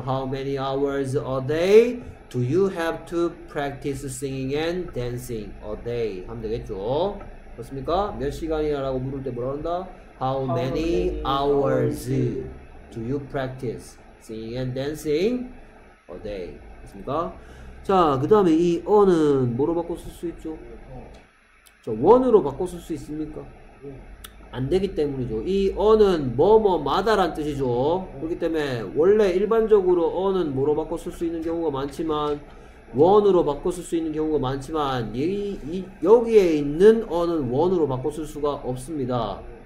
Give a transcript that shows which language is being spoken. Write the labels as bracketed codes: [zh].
[en] How many hours a day do you have to practice singing and dancing a day? [ko] 하면 되겠죠. 그렇습니까? 몇 시간이냐라고 물을 때 뭐라 한다? [en] How many hours do you practice singing and dancing a day? [ko] 그렇습니까? 자, 그 다음에 이 on은 뭐로 바꿔 쓸 수 있죠? 저 one으로 바꿔 쓸 수 있습니까? 안 되기 때문이죠. 이 어는 뭐뭐마다란 뜻이죠. 그렇기 때문에 원래 일반적으로 어는 뭐로 바꿔 쓸 수 있는 경우가 많지만 원으로 바꿔 쓸 수 있는 경우가 많지만 여기에 있는 어는 원으로 바꿔 쓸 수가 없습니다.